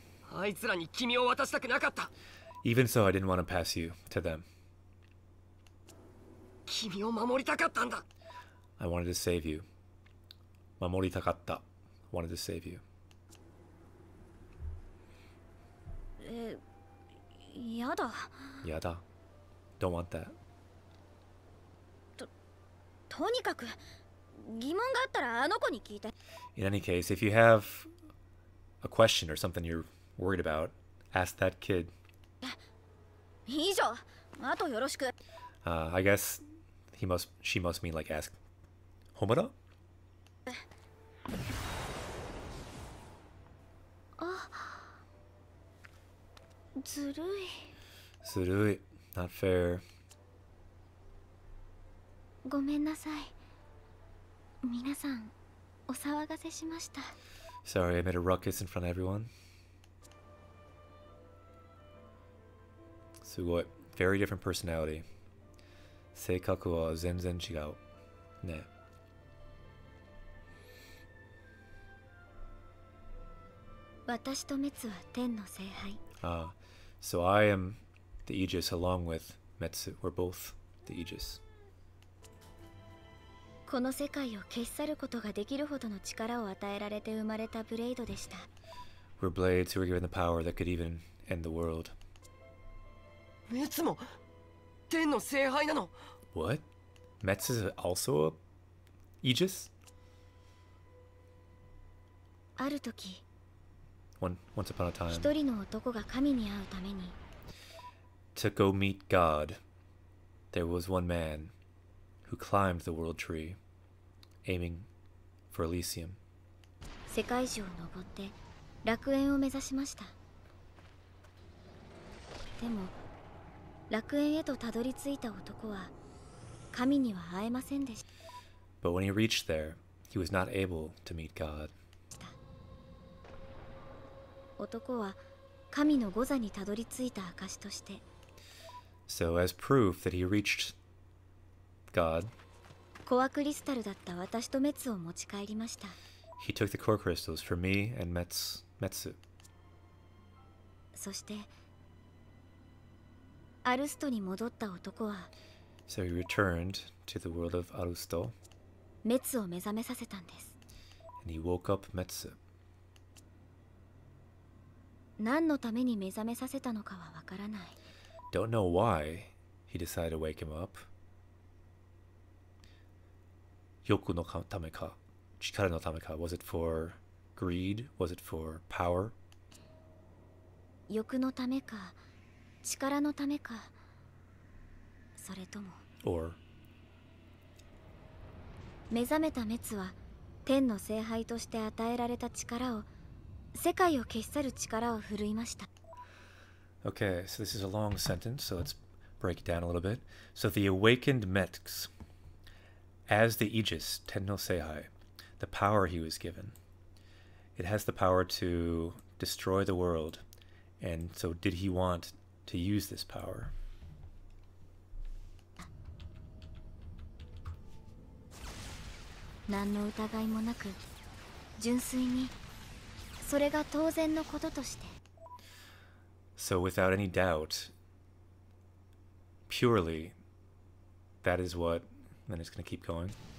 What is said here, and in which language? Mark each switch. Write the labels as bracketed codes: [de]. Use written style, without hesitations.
[ja] あいつらに君を渡したくなかった。 [en] Even so, I didn't want to pass you to them. [ja] 君を守りたかったんだ。 [en] I wanted to save you. 守りたかった。 Wanted to save you. [ja] やだ。 [en] やだ。 Don't want that. [ja] とにかく。疑問があったらあの子に聞いて。 [en] In any case, if you have a question or something you're worried about, ask that kid. [ja] 以上、あとよろしく。 [en] I guess she must mean like ask. Homura? [ja] あ、ずるい。 [en] ずるい。 Not fair. [ja] ごめんなさい。皆さん、お騒がせしました。 [en] Sorry, I made a ruckus in front of everyone. [ja] すごい。 Very different personality. 性格は全然違う。ね。私とメツは天の聖杯。 [en] So I am the Aegis along with Metsu. We're both the Aegis. [ja] この世界を消し去ることができるほどの力を与えられて生まれたブレイドでした。 [en] We're blades who were given the power that could even end the world. [ja] メツも天の聖杯なの [en] What? Metsu is also a Aegis? [ja] ある時、 [en] Once upon a time, [ja] 一人の男が神に会うために [en] to go meet God, there was one man who climbed the world tree, aiming for Elysium. [ja] 世界樹を登って楽園を目指しました。でも、楽園へとたどり着いた男は神には会えませんでした。 [en] But when he reached there, he was not able to meet God. [ja] 男は神の御座にたどり着いた証として。 [en] So as proof that he reached God, [ja] コアクリスタルだった私とメツを持ち帰りました。 [en] He took the core crystals for me and Metsu. [ja] そして、アルストに戻った男は、 [en] So he returned to the world of Arusto. [ja] メツを目覚めさせたんです。 [en] And he woke up Metsu. [ja] 何のために目覚めさせたのかはわからない。 [en] Don't know why he decided to wake him up. [ja] 欲のためか、力のためか。 [en] Was it for greed? Was it for power? [ja] 欲のためか、力のためか、それとも。 [en] Or [ja] 目覚めたメツは天の聖杯として与えられた力を。世界を消し去る力を振るいました。 [en] Okay, so this is a long sentence, so let's break it down a little bit. So the awakened Metx, as the Aegis, Tenno Sehai, the power he was given, it has the power to destroy the world, and so did he want to use this power? [ja] なんの疑いもなく、純粋に。それが当然のこととして。 [en] So without any doubt, purely, that is what, then it's gonna keep going.